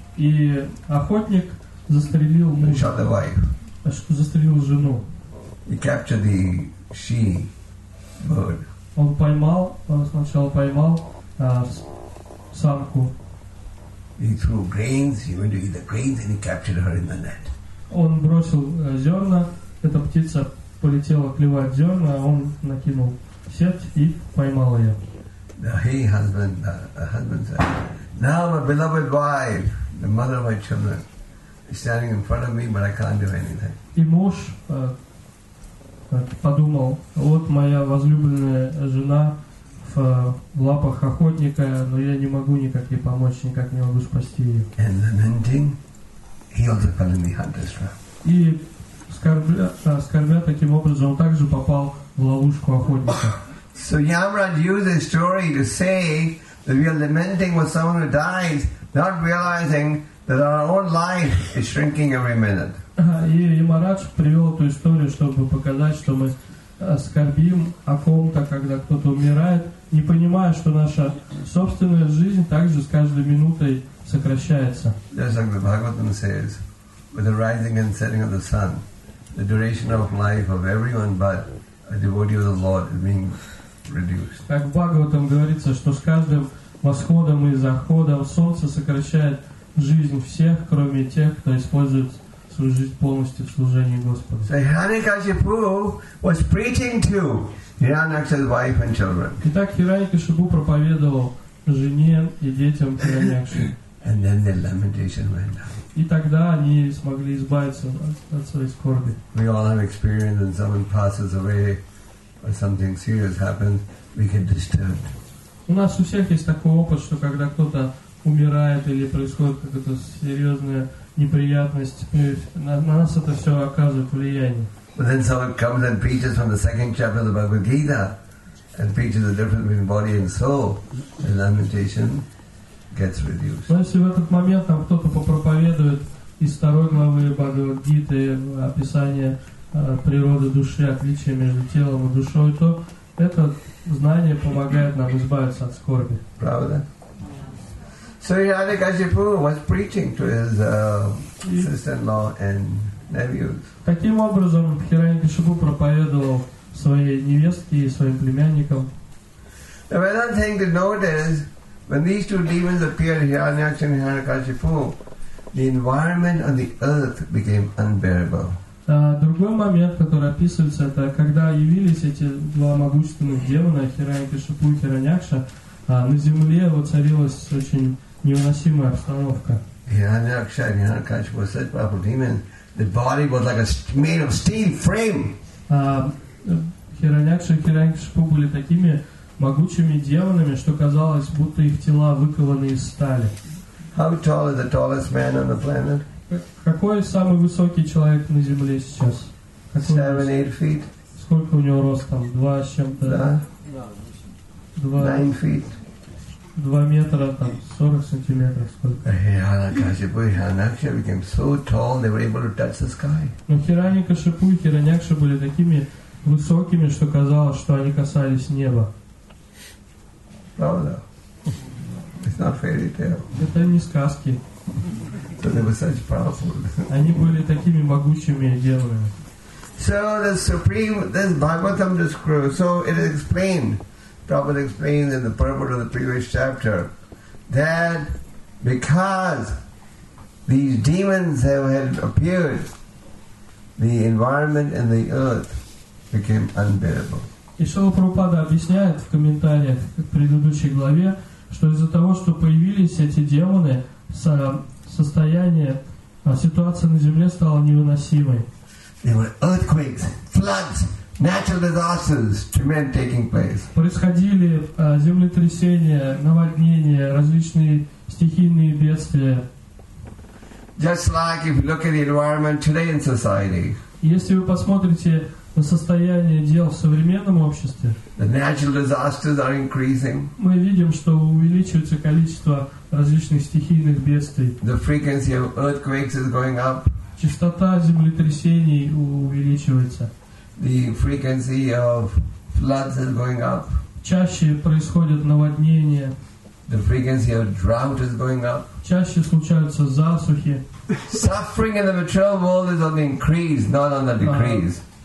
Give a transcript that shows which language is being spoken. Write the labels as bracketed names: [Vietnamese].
[Russian] И охотник застрелил мужа. [English] He shot the wife. [Russian] А что застрелил жену? [English] He captured the she bird. [Russian] Он поймал, он сначала поймал самку. [English] He threw grains, he went to eat the grains and he captured her in the net. [Russian] Он бросил зерна, эта птица полетела клевать зерна, а он накинул сеть и поймал ее. [English] The husband said, "Now my beloved wife, the mother of my children, is standing in front of me, but I can't do anything." [Russian] И муж подумал: вот моя возлюбленная жена в лапах охотника, но я не могу никак ей помочь, никак не могу спасти ее. [English] And lamenting, he also fell in the hunter's trap. [Russian] И скорбя таким образом, он также попал в ловушку охотника. [English] So Yamaraj used his story to say that we are lamenting when someone who dies, not realizing that our own life is shrinking every minute. [Russian] И Марадж привел эту историю, чтобы показать, что мы скорбим о ком-то, когда кто-то умирает, не понимая, что наша собственная жизнь также с каждой минутой сокращается. [English] Just like the Bhagavatam says, with the rising and setting of the sun, the duration of life of everyone but a devotee of the Lord is being reduced. [Russian] Как в Бхагаватам говорится, что с каждым восходом и заходом солнце сокращает жизнь всех, кроме тех, кто использует свою жизнь полностью в служении Господу. [English] So Hiranyakashipu was preaching to Hiranyaksha's wife and children. [Russian] Итак, Хираньякашипу проповедовал жене и детям Хираньякши. [English] And then their lamentation went down. [Russian] И тогда они смогли избавиться от своей скорби. [English] We all have experience when someone passes away or something serious happens, we get disturbed. [Russian] У нас у всех есть такой опыт, что когда кто-то умирает или происходит какая-то серьезная неприятность, на нас это все оказывает влияние. [English] But then someone comes and preaches from the second chapter of the Bhagavad Gita and preaches the difference between body and soul, the lamentation gets reduced. [Russian] Но если в этот момент там кто-то попроповедует из второй главы Бхагавад Гиты описание природы души, отличия между телом и душой, то это знание помогает нам избавиться от скорби. Правда? [English] So Hiranyakashipu was preaching to his sister-in-law and nephews. [Russian] Таким образом Хиранякашипу проповедовал своей невестке и своим племянникам. [English] The other thing to note is when these two demons appeared, Hiranyaksha and Hiranyakashipu, the environment on the earth became unbearable. [Russian] Другой момент, который описывается, это когда явились эти два могущественных демона, Хиранякашипу и Хиранякша, на земле воцарилась очень невыносимая обстановка. [English] Hiranyaksha and Hiranyakashipu were such powerful demons, the body was like a made of steel frame. [Russian] Хиранякша и Хиранякашипу были такими могучими демонами, что казалось, будто их тела выкованы из стали. [English] How tall is the tallest man on the planet? [Russian] Какой самый высокий человек на Земле сейчас? [English] 7-8 feet. [Russian] Сколько у него рост там? 2 с чем-то? Да. [English] 9 feet. [Russian] 2 метра там, 40 сантиметров сколько? [English] Hiranyakashipu became so tall they were able to touch the sky. [Russian] Но Хиранякашипу и Хиранякша были такими высокими, что казалось, что они касались неба. Правда? [English] It's not fairy tale. [Russian] Это не сказки. [English] So they were such powerful. [Russian] Они были такими могучими демонами. [English] So the supreme, this Bhagavatam describes. So it is explained. Prabhupada explains in the purport of the previous chapter that because these demons had appeared, the environment and the earth became unbearable. [Russian] И Шрила Прабхупада объясняет в комментариях к предыдущей главе, что из-за того, что появились эти демоны, состояние, ситуация на земле стала невыносимой. [English] There were earthquakes, floods, natural disasters, tremendous taking place. [Russian] Происходили землетрясения, наводнения, различные стихийные бедствия. [English] Just like if you look at the environment today in society. [Russian] Если вы посмотрите на состояние дел в современном обществе, мы видим, что увеличивается количество различных стихийных бедствий. [English] The frequency of earthquakes is going up. [Russian] Частота землетрясений увеличивается. [English] The frequency of floods is going up. [Russian] Чаще происходят наводнения. [English] The frequency of drought is going up. [Russian] Чаще случаются засухи. [English] Suffering in the material world is on the increase, not on the decrease.